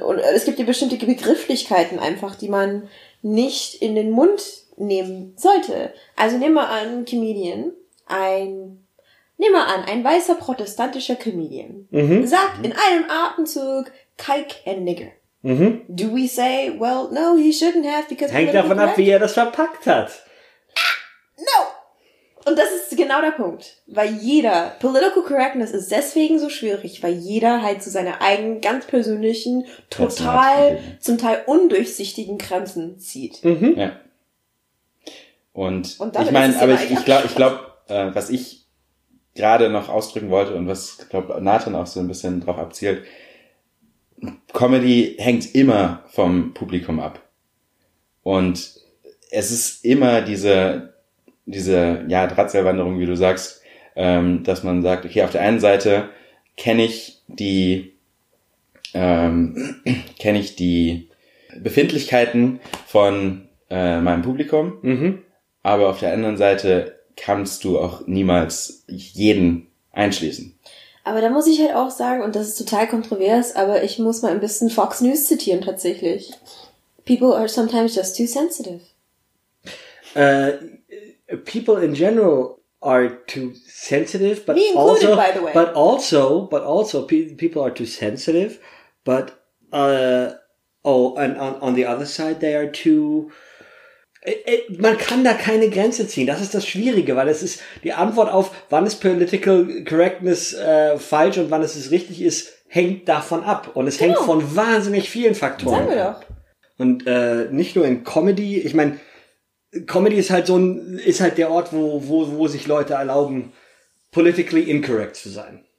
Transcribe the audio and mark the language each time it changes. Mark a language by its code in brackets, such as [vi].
[de] Und es gibt ja bestimmte Begrifflichkeiten einfach, die man nicht in den Mund nehmen sollte. Also nehmen wir an, ein weißer protestantischer Comedian sagt in einem Atemzug Kalk and Nigger. Mhm. [en] Do we say, well, no, he shouldn't have, because... [de] Hängt davon ab, wie er das verpackt hat. [en] No! [de] Und das ist genau der Punkt. Weil jeder, political correctness ist deswegen so schwierig, weil jeder halt so seine eigenen, ganz persönlichen, total, zum Teil undurchsichtigen Grenzen zieht. Mhm. Ja. Und ich meine, aber ich glaube, was ich gerade noch ausdrücken wollte und was, glaube ich, Nathan auch so ein bisschen drauf abzielt, Comedy hängt immer vom Publikum ab. Und es ist immer diese Drahtseilwanderung, wie du sagst, dass man sagt, okay, auf der einen Seite kenne ich die Befindlichkeiten von meinem Publikum, mhm, aber auf der anderen Seite kannst du auch niemals jeden einschließen. Aber da muss ich halt auch sagen, und das ist total kontrovers, aber ich muss mal ein bisschen Fox News zitieren tatsächlich. [en] People are sometimes just too sensitive. People in general are too sensitive, but me included, also, by the way. But also, people are too sensitive, but and on the other side, they are too. [de] Man kann da keine Grenze ziehen. Das ist das Schwierige, weil es ist die Antwort auf, wann ist political correctness falsch und wann ist es richtig ist, hängt davon ab. Und es hängt von wahnsinnig vielen Faktoren. Sagen wir doch. Und nicht nur in Comedy. Ich meine, Comedy ist halt der Ort, wo sich Leute erlauben, politically incorrect zu sein.